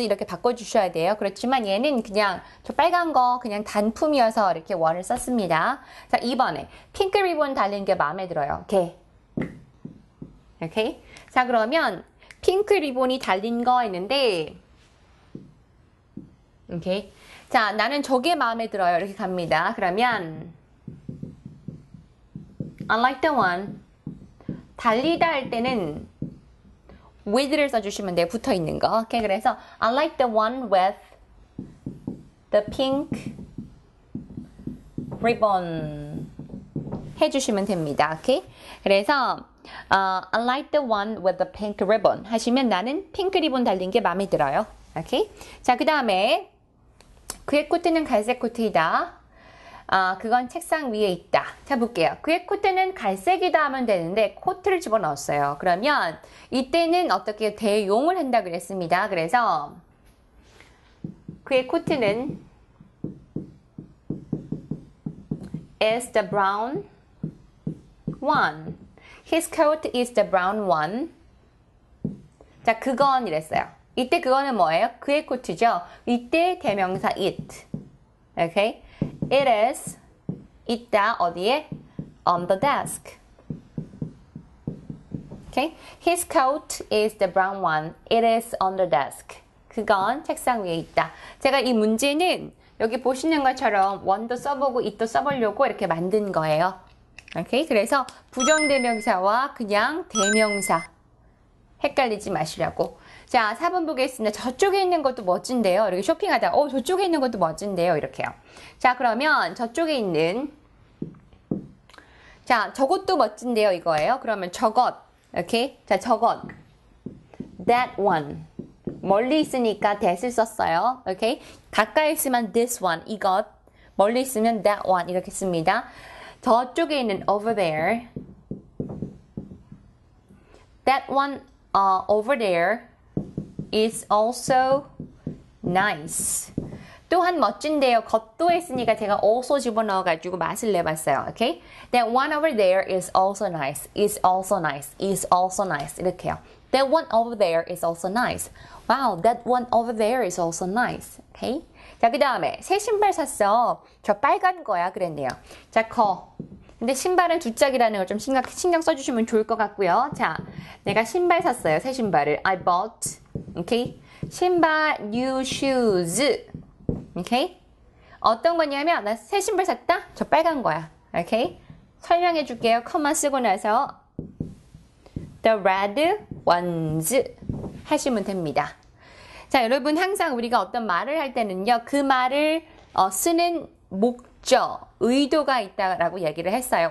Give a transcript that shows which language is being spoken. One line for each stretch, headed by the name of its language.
Korean: 이렇게 바꿔주셔야 돼요. 그렇지만 얘는 그냥 저 빨간 거 그냥 단품이어서 이렇게 원을 썼습니다. 자, 2번에 핑크 리본 달린 게 마음에 들어요. 오케이. 오케이. 자, 그러면 핑크 리본이 달린 거 있는데, 오케이. 자, 나는 저게 마음에 들어요. 이렇게 갑니다. 그러면
English: I like the one.
Korean: 달리다 할 때는 with를 써주시면 돼요. 붙어 있는 거. 오케이. 그래서
English: I like the one with the pink ribbon
Korean: 해주시면 됩니다. 오케이. 그래서
English: I like the one with the pink ribbon
Korean: 하시면 나는 핑크 리본 달린 게 마음에 들어요. 오케이. 자, 그 다음에 그의 코트는 갈색 코트이다. 그건 책상 위에 있다. 자, 볼게요. 그의 코트는 갈색이다 하면 되는데, 코트를 집어넣었어요. 그러면, 이때는 어떻게 대용을 한다 그랬습니다. 그래서, 그의 코트는,
English: is the brown one. His coat is the brown one.
Korean: 자, 그건 이랬어요. 이때 그거는 뭐예요? 그의 코트죠? 이때 대명사
English: it. Okay? It is,
Korean: 있다, 어디에?
English: On the desk. Okay? His coat is the brown one. It is on the desk.
Korean: 그건 책상 위에 있다. 제가 이 문제는 여기 보시는 것처럼 one도 써보고 it도 써보려고 이렇게 만든 거예요.
English: Okay?
Korean: 그래서 부정대명사와 그냥 대명사. 헷갈리지 마시라고. 자, 4번 보겠습니다. 저쪽에 있는 것도 멋진데요. 이렇게 쇼핑하다. 저쪽에 있는 것도 멋진데요. 이렇게요. 자, 그러면 저쪽에 있는. 자, 저것도 멋진데요. 이거예요. 그러면 저것. 오케이? 자, 저것.
English: That one.
Korean: 멀리 있으니까 that을 썼어요. 오케이? 가까이 있으면 this one. 이것. 멀리 있으면 that one. 이렇게 씁니다. 저쪽에 있는 over there.
English: That one, over there. It's also nice.
Korean: 또한 멋진데요. 겉도 했으니까 제가 also 집어넣어가지고 맛을 내봤어요.
English: Okay? That one over there is also nice. It's also nice. It's also nice.
Korean: 이렇게요.
English: That one over there is also nice. Wow, that one over there is also nice. Okay?
Korean: 자, 그 다음에 새 신발 샀어. 저 빨간 거야. 그랬네요. 자, 커. 근데 신발은 두 짝이라는 걸좀 신경 써주시면 좋을 것 같고요. 자, 내가 신발 샀어요. 새 신발을.
English: I bought. Okay. 신발, new shoes. Okay.
Korean: 어떤 거냐면, 나새 신발 샀다? 저 빨간 거야. Okay. 설명해 줄게요. 컴마 쓰고 나서. The red ones. 하시면 됩니다. 자, 여러분. 항상 우리가 어떤 말을 할 때는요. 그 말을 쓰는 목적, 의도가 있다라고 얘기를 했어요.